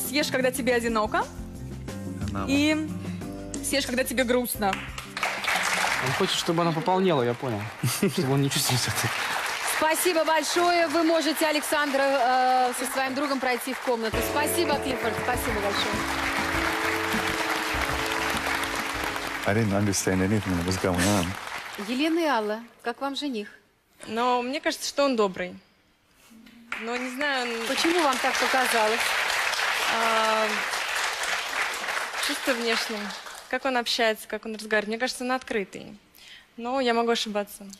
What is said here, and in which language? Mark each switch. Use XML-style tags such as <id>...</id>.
<ru>Съешь, когда тебе одиноко. И съешь, когда тебе грустно. Он хочет, чтобы она пополнела, я понял. Чтобы он не чувствовался так. Спасибо большое. Вы можете, Александр, со своим другом пройти в комнату. Спасибо, Клиффорд. Спасибо большое.</ru> <en>I didn't understand anything that was going on.</en> <ru>Елена и Алла, как вам жених? Ну, мне кажется, что он добрый. Но не знаю... Почему вам так показалось? Чисто внешне. Как он общается, как он разговаривает. Мне кажется, он открытый. Но я могу ошибаться.</ru>